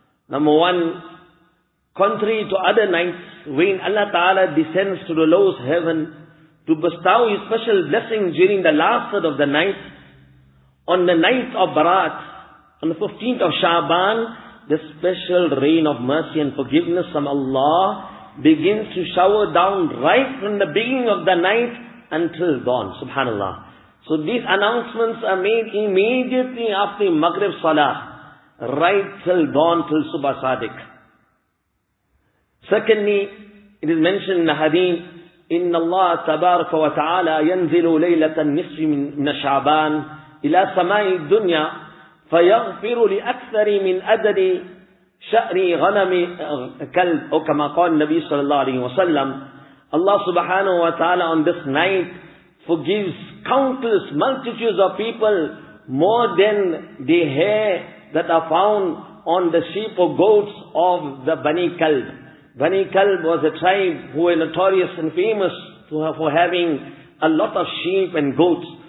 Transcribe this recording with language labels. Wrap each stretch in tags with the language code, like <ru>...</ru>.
<en>Number one, contrary to other nights, when Allah Ta'ala descends to the lowest heaven to bestow His special blessings during the last third of the night, on the night of Barat, on the 15th of Sha'ban, the special rain of mercy and forgiveness from Allah begins to shower down right from the beginning of the night until dawn. Subhanallah. So these announcements are made immediately after Maghrib Salah, right till dawn, till Subah Sadiq.</en> <ar>Secondly, it is mentioned in the hadith, إِنَّ اللَّهَ تَبَارَكَ وَتَعَالَى يَنْزِلُ لَيْلَةَ النِّصْفِ مِنَ شَعْبَانِ إِلَى سَمَاءِ الدُّنْيَا فَيَغْفِرُ لِأَكْثَرِ مِنْ أَدَدِ شَأْرِ غَنَمِ كَلْبِ.</ar> <en>Or</en> <ar>كما قال النبي صلى الله عليه وسلم,</ar> <en>Allah subhanahu wa ta'ala on this night forgives countless multitudes of people more than the hair that are found on the sheep or goats of the Bani Kalb. Bani Kalb was a tribe who were notorious and famous for having a lot of sheep and goats.</en>